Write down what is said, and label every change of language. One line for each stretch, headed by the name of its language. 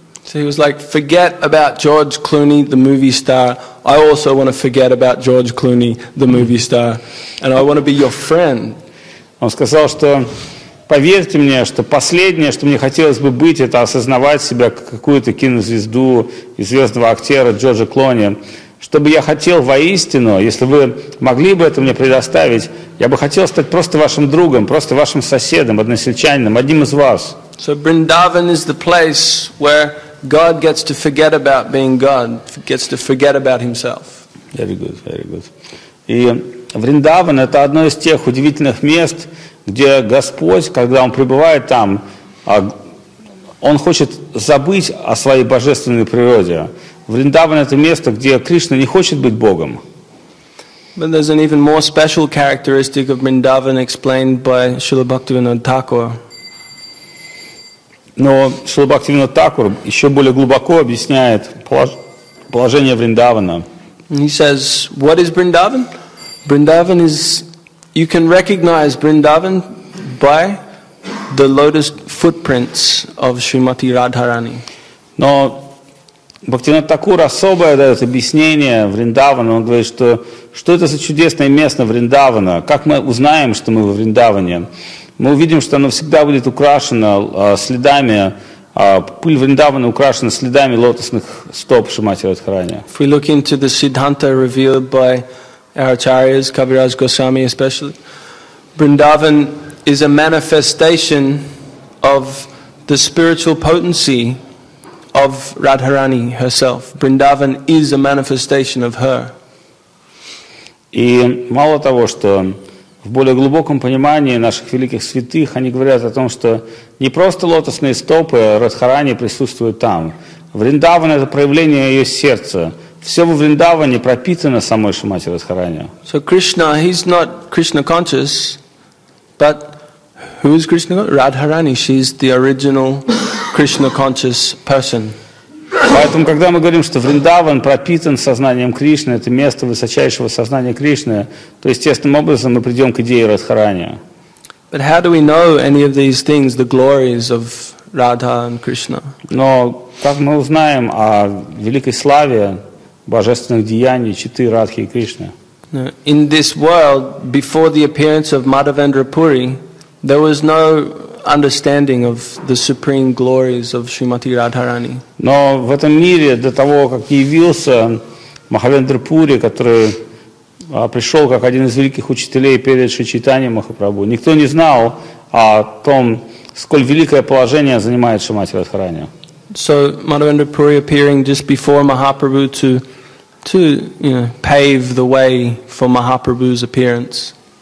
English: So he was like, forget about George Clooney, the movie star. I also want to forget about George Clooney, the movie star. And I want to be your friend.
Russian: Он сказал, что поверьте мне, что последнее, что мне хотелось бы быть, это осознавать себя как какую-то кинозвезду, известного актера Джорджа Клуни. Что бы я хотел воистину, если вы могли бы это мне предоставить, я бы хотел стать просто вашим другом, просто вашим соседом, односельчанином, одним из вас.
English: So Vrindavan is the place where God gets to forget about being God, gets to forget about himself. Very good, very good.
Russian: И Вриндаван – это одно из тех удивительных мест, где Господь, когда Он пребывает там, Он хочет забыть о своей божественной природе. Вриндаван – это место, где Кришна не хочет быть Богом.
English: But there's an even more special characteristic of Vrindavan explained by Srila Bhaktivinoda Thakur.
Russian: Но Шрила Бхактивинода Тхакур еще более глубоко объясняет положение Вриндавана.
English: He says, what is Vrindavan? Vrindavan is, you can recognize Vrindavan by the lotus footprints of Shrimati Radharani.
Russian: Но Бхактивинода Тхакур особое дает объяснение Вриндавана. Он говорит, что это за чудесное место Вриндавана? Как мы узнаем, что мы во Вриндаване? Мы увидим, что оно всегда будет украшено следами, пыль Вриндавана украшена следами лотосных стоп Шримати Радхарани.
English: If we look into the Siddhanta revealed by our acharyas, Kaviraj Goswami especially, Vrindavan is a manifestation of the spiritual potency of Radharani herself. Vrindavan is a manifestation of her.
Russian: И мало того, что в более глубоком понимании наших великих святых они говорят о том, что не просто лотосные стопы Радхарани присутствуют там. Вриндаван — это проявление ее сердца. Все во Вриндаване пропитано самой Шримати Радхарани.
English: So Krishna, he's not Krishna conscious, but who is Krishna? Radharani, she's the original Krishna conscious person.
Russian: Поэтому, когда мы говорим, что Вриндаван пропитан сознанием Кришны, это место высочайшего сознания Кришны, то естественным образом мы придем к идее Радхарани.
English: But how do we know any of these things, the glories of Radha and Krishna?
Russian: Но как мы узнаем о великой славе божественных деяний читы Радхи и Кришны?
English: In this world, before the appearance of Madhavendra Puri, there was no understanding of the supreme glories of Srimati Radharani.
Russian: Но в этом мире до того, как явился Махавендра Пури, который пришел как один из великих учителей перед Шри Чайтаньей Махапрабху, никто не знал о том, сколь великое положение занимает Шримати Радхарани.
English: So Madhavendra Puri appearing just before Mahaprabhu to pave the way for Mahaprabhu's appearance.